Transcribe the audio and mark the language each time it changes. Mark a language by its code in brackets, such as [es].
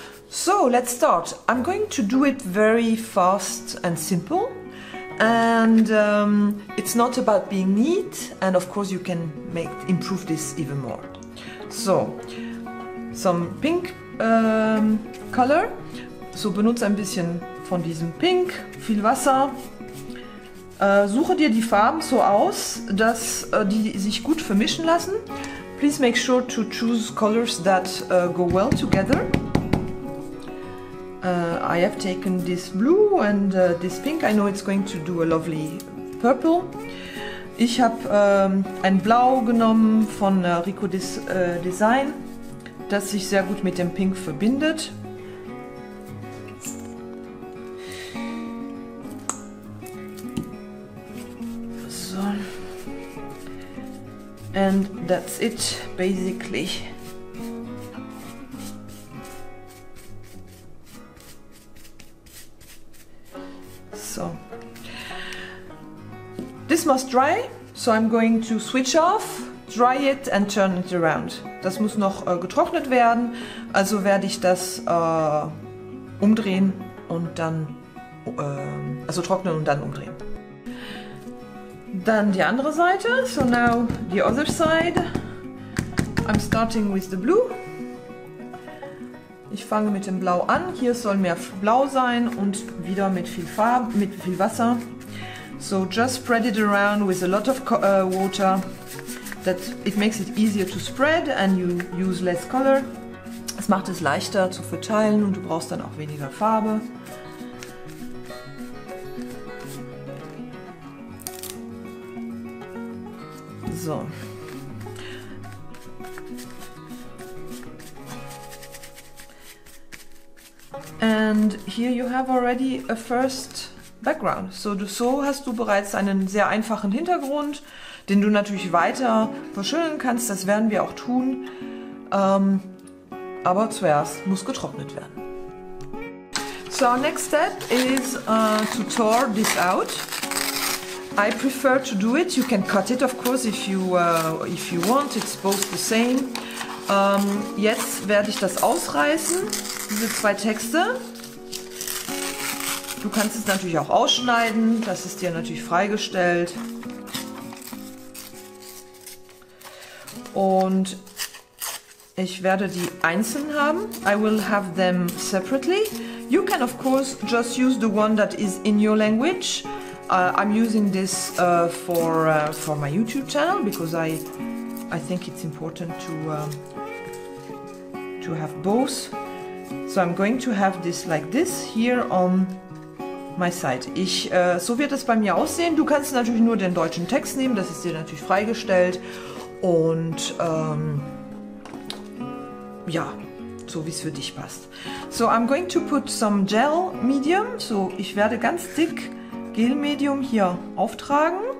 [en] So let's start. I'm going to do it very fast and simple, and it's not about being neat, and of course you can improve this even more. So some pink color, [de] so benutze ein bisschen von diesem Pink, viel Wasser. Suche dir die Farben so aus, dass die sich gut vermischen lassen. [en] Please make sure to choose colors that go well together. I have taken this blue and this pink. I know it's going to do a lovely purple. [de] Ich habe ein Blau genommen von Rico Design, das sich sehr gut mit dem Pink verbindet. [en] And that's it, basically. So, this must dry, so I'm going to switch off, dry it and turn it around. [de] Das muss noch getrocknet werden, also werde ich das umdrehen und dann, also trocknen und dann umdrehen. Dann die andere Seite, [en] so now the other side. I'm starting with the blue. [de] Ich fange mit dem Blau an. Hier soll mehr Blau sein und wieder mit viel Farbe, mit viel Wasser. [en] So just spread it around with a lot of water. That it makes it easier to spread and you use less color. [de] Es macht es leichter zu verteilen und du brauchst dann auch weniger Farbe. So. [en] And here you have already a first background. [de] So hast du bereits einen sehr einfachen Hintergrund, den du natürlich weiter verschönern kannst. Das werden wir auch tun. Aber zuerst muss getrocknet werden. [en] So our next step is to tour this out. I prefer to do it. You can cut it, of course, if you want. It's both the same. [de] Jetzt werde ich das ausreißen, diese zwei Texte. Du kannst es natürlich auch ausschneiden. Das ist dir natürlich freigestellt. Und ich werde die einzeln haben. [en] I will have them separately. You can, of course, just use the one that is in your language. I'm using this for my YouTube channel because I think it's important to have both. So I'm going to have this like this here on my side. [de] So wird es bei mir aussehen. Du kannst natürlich nur den deutschen Text nehmen, das ist dir natürlich freigestellt. Und ja, so wie es für dich passt. [en] So, I'm going to put some gel medium. [de] So, ich werde ganz dick Gel Medium hier auftragen.